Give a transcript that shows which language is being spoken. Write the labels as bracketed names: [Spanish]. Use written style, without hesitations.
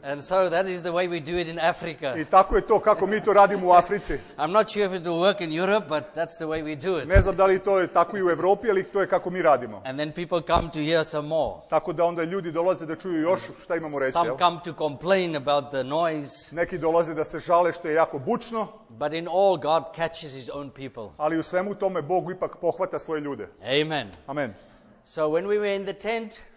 [English] And so that is the way we do it in Africa. [Serbian] I tako je to kako mi to radimo u Africi. [English] I'm not sure if it will work in Europe, but that's the way we do it. [Serbian] Ne znam da li to je tako i u Evropi, ali to je kako mi radimo. [English] And then people come to hear some more. [Serbian] Tako da onda ljudi dolaze da čuju još šta imamo reći. [English] Some come to complain about the noise. [Serbian] Neki dolaze da se žale što je jako bučno. [English] But in all God catches his own people. [Serbian] Ali u svemu tome Bog ipak pohvata svoje ljude. [English] Amen. Amen. So when we were in the tent,